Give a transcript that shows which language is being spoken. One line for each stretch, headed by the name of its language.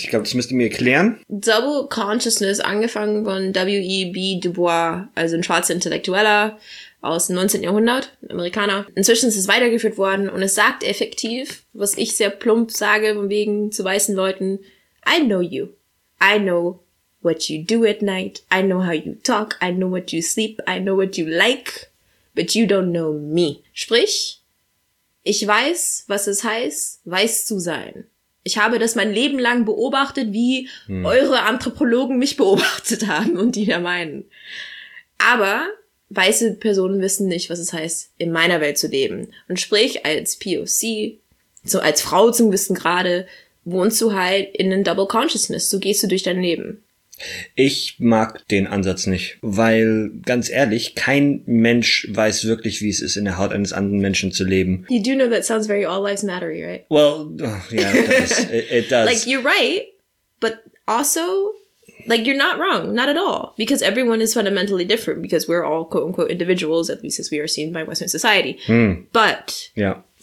German: Ich glaube, das müsst ihr mir erklären. Double Consciousness, angefangen von W.E.B. Du Bois, also ein schwarzer Intellektueller aus dem 19. Jahrhundert, ein Amerikaner. Inzwischen ist es weitergeführt worden und es sagt effektiv, was ich sehr plump sage, von wegen zu weißen Leuten,
English: I know you. I know what you do at night, I know how you talk, I know what you sleep, I know what you like, but you don't know me.
German: Sprich, ich weiß, was es heißt, weiß zu sein. Ich habe das mein Leben lang beobachtet, wie eure Anthropologen mich beobachtet haben und die da meinen. Aber weiße Personen wissen nicht, was es heißt, in meiner Welt zu leben. Und sprich, als POC, so als Frau zum gewissen Grade, wohnst du halt in einem Double Consciousness, so gehst du durch dein Leben. Ich mag den Ansatz nicht, weil, ganz ehrlich, kein Mensch weiß wirklich, wie es ist, in der Haut eines anderen Menschen zu leben.
English: You do know that sounds very all lives matter-y, right? Well, yeah, it does. Like, you're right, but also, like, you're not wrong, not at all. Because everyone is fundamentally different, because we're all, quote-unquote, individuals, at least as we are seen by Western society. Mm. But, yeah.